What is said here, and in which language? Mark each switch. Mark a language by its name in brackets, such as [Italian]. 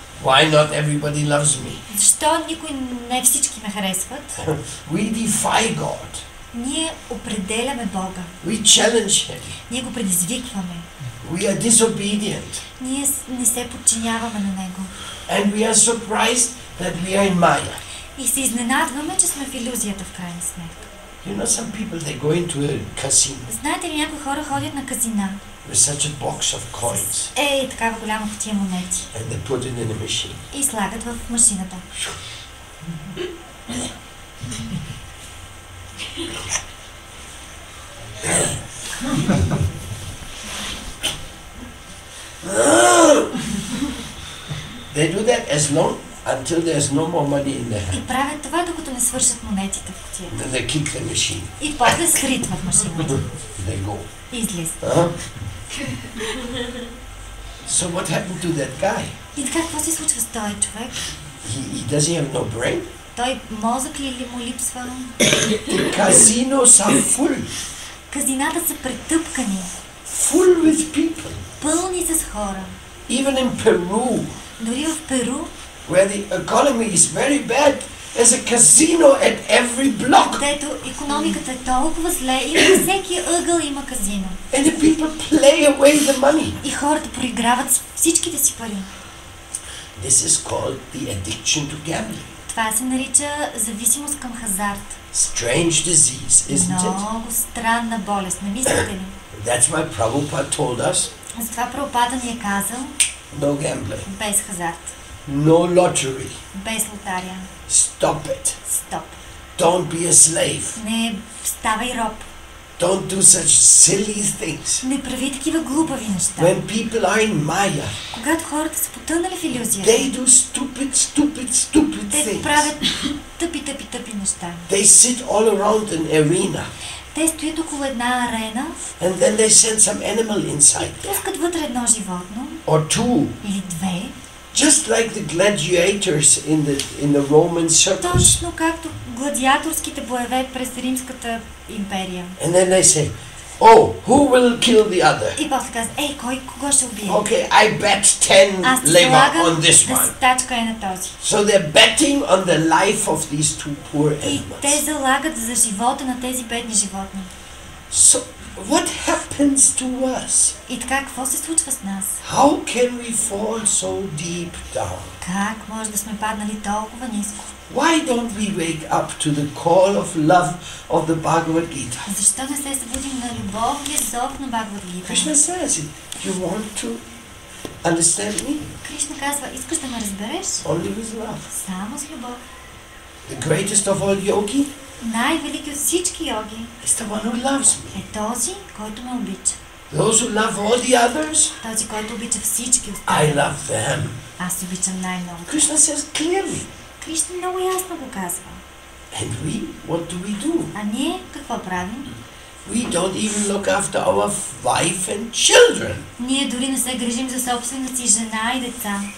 [English] Why not everybody loves me? [Bulgarian] Защо никой не всички ме харесват? [English] We defy God. [Bulgarian] Ние определяме Бога. [English] We challenge him. [Bulgarian] Ние го предизвикваме. [English] We are disobedient. [Bulgarian] Ние не се подчиняваме на него. [English] And we are surprised that we are in Maya. [Bulgarian] И се изненадваме, че сме в илюзията в крайна сметка. [English] You know some people they go into a casino. [Bulgarian] Знаете ли някои хора ходят на казина? [English] With such a box of coins. [Bulgarian] Ей, такава голяма кутия монети. [English] And they put it in a machine. [Bulgarian] И слагат в машината. [English] They do that as long until there is no more money in there. [Bulgarian] И правят това докато не свършат монетите в кутията. [English] They kick the machine. [Bulgarian] И после скритват машината. [English] They go. [Bulgarian] Излизат. [English] So what happened to that guy? [Bulgarian] И така какво се случва с този човек? [English] He does he have no brain? [Bulgarian] Той мозък ли или му липсва? [English] The casino [Bulgarian] са [English] full. [Bulgarian] Казината са претъпкани. [English] Full with people. [Bulgarian] Пълни с хора. [English] Even in Peru. [Bulgarian] Дори в Перу, [English] where the economy is very bad, there's a casino at every block. [Bulgarian] Където икономиката е толкова зле и във всеки ъгъл има казино. [English] And the people play away the money. [Bulgarian] И хората проиграват всичките си пари. [English] This is called the addiction to gambling. [Bulgarian] Това се нарича зависимост към хазарт. [English] Strange disease, isn't it? [Bulgarian] Много странна болест, не мислите ли? [English] That's why Prabhupada told us. [Bulgarian] Затова Прабхупада ни е казал. [English] No gambling. [Bulgarian] Без хазарт. [English] No lottery. [Bulgarian] Без лотария. [English] Stop it. Stop. Don't be a slave. [Bulgarian] Не ставай роб. [English] Don't do such silly things. [Bulgarian] Не прави такива глупави неща. [English] When people are in Maya. [Bulgarian] Когато хората са потънали в илюзия. [English] They do stupid, stupid, stupid things. [Bulgarian] Те правят тъпи, тъпи, тъпи неща. [English] They sit all around an arena. [Bulgarian] Те стоят около една арена. [English] And then they send some animal inside. [Bulgarian] Пускат вътре едно животно. [English] Or two. [Bulgarian] Или две. [English] Just like the gladiators in the Roman circus. [Bulgarian] Точно както гладиаторските боеве през Римската империя. [English] And then they say, oh, who will kill the other? [Bulgarian] И после казват, ей, кой кого ще убие? [English] Okay, I bet 10 lema on this one. [Bulgarian] Аз ти залагам да стачка е на този. [English] So they're betting on the life of these two poor animals. [Bulgarian] И те залагат за живота на тези бедни животни. [English] So what happens to us? [Bulgarian] И така какво се случва с нас? [English] How can we fall so deep down? [Bulgarian] Как може да сме паднали толкова ниско? [English] Why don't we wake up to the call of love of the Bhagavad Gita? [Bulgarian] Защо не се събудим на любовния зов на Бхагавад Гита? [English] Кришна says it. You want to understand me? [Bulgarian] Кришна казва, искаш да ме разбереш? [English] Only with love. [Bulgarian] Само с любов. [English] The greatest of all yogi? [Bulgarian] Най-велики от всички йоги [English] is the one who loves me. [Bulgarian] Е този, който ме обича. [English] Those who love all the others? [Bulgarian] Този, който обича всички останали. [English] I love them. [Bulgarian] Аз ти обичам най-много. [English] Кришна says clearly. [Bulgarian] Кришна много ясно го казва. [English] And we, what do we do? [Bulgarian] А ние какво правим? [English] We don't even look after our wife and children. [Bulgarian] Ние дори не се грижим за собствената си жена и деца.